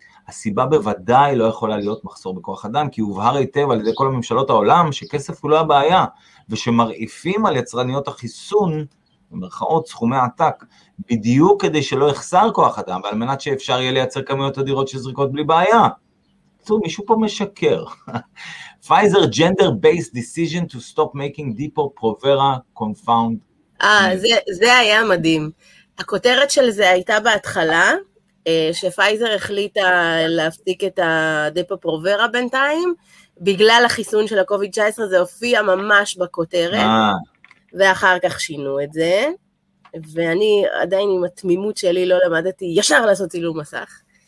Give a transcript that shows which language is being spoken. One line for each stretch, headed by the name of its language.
Hebrew: הסיבה בוודאי לא יכולה להיות מחסור בכוח אדם, כי הובהר היטב על ידי כל הממשלות העולם שכסף הוא לא הבעיה, ושמרעיפים על יצרניות החיסון, במרכאות סכומי עתק, בדיוק כדי שלא יחסר כוח אדם, ועל מנת שאפשר יהיה לייצר כמויות אדירות של זריקות בלי בעיה. טוב, מישהו פה משקר.
English: Pfizer gender based decision to stop making depo provera confound.
Hebrew: זה היה מדהים. הכותרת של זה הייתה בהתחלה, שפייזר החליטה להפסיק את הדפו פרוברה בינתיים, בגלל החיסון של ה-COVID-19, זה הופיע ממש בכותרת, ואחר כך שינו את זה, ואני עדיין עם התמימות שלי לא למדתי ישר לעשות צילום מסך.